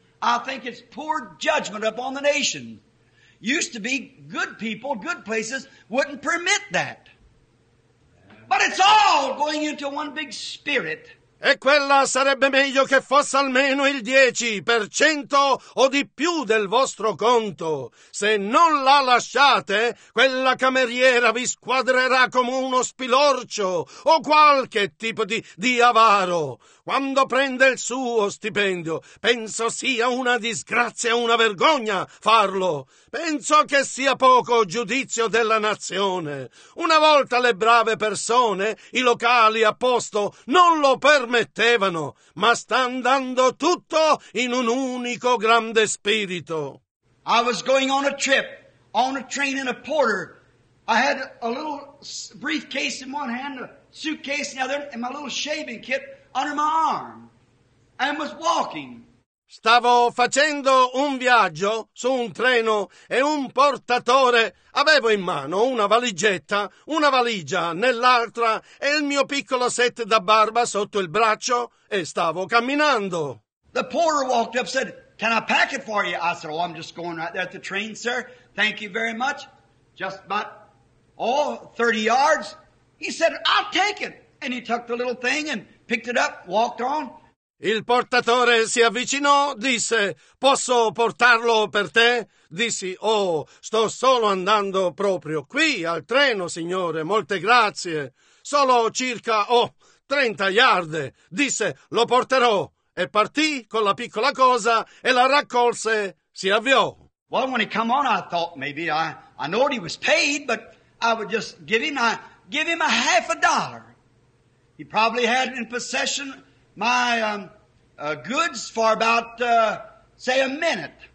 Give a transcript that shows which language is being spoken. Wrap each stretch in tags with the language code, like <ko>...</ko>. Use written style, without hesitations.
<en>I think it's poor judgment upon the nation. Used to be good people, good places wouldn't permit that. But it's all going into one big spirit.</en> <it>E quella sarebbe meglio che fosse almeno il 10% o di più del vostro conto. Se non la lasciate, quella cameriera vi squadrerà come uno spilorcio o qualche tipo di avaro. Quando prende il suo stipendio, penso sia una disgrazia e una vergogna farlo. Penso che sia poco giudizio della nazione. Una volta le brave persone, i locali a posto, non lo permettevano, ma sta andando tutto in un unico grande spirito.</it> <en>I was going on a trip, on a train in a porter. I had a little briefcase in one hand, a suitcase in the other, and my little shaving kit under my arm, and was walking.</en> <it>Stavo facendo un viaggio su un treno e un portatore avevo in mano una valigetta, una valigia nell'altra e il mio piccolo set da barba sotto il braccio e stavo camminando.</it> <en>The porter walked up and said, "Can I pack it for you?" I said, "Oh, I'm just going right there at the train, sir. Thank you very much. Just about, oh, 30 yards. He said, "I'll take it." And he took the little thing and picked it up, walked on.</en> <it>Il portatore si avvicinò, disse, "Posso portarlo per te?" Dissi, "Oh, sto solo andando proprio qui al treno, signore, molte grazie. Solo circa, 30 yarde." Disse, "Lo porterò." E partì con la piccola cosa e la raccolse, si avviò.</it> <en>Well, when he come on, I thought maybe I know he was paid, but I would just give him a half a dollar. He probably had in possession my goods for about a minute.</en>